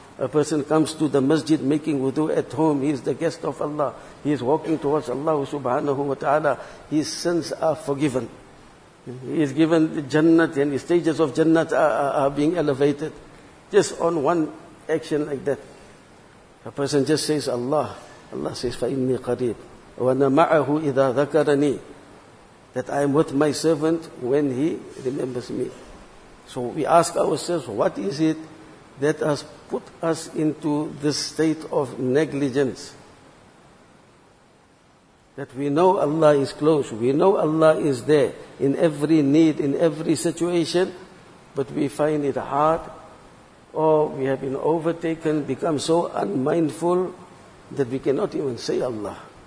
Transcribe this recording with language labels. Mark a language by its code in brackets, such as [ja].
[en] A person comes to the masjid making wudu at home. He is the guest of Allah. He is walking towards Allah subhanahu wa ta'ala. His sins are forgiven. He is given the jannat, and the stages of jannat are being elevated. Just on one action like that. A person just says Allah. Allah says, [ar] فَإِنِّي قَرِيبٌ وَأَنَا مَعَهُ إِذَا ذَكَرَنِي. [en] That I am with my servant when he remembers me. So we ask ourselves, what is it that has put us into this state of negligence? That we know Allah is close, we know Allah is there in every need, in every situation, but we find it hard, or we have been overtaken, become so unmindful that we cannot even say Allah.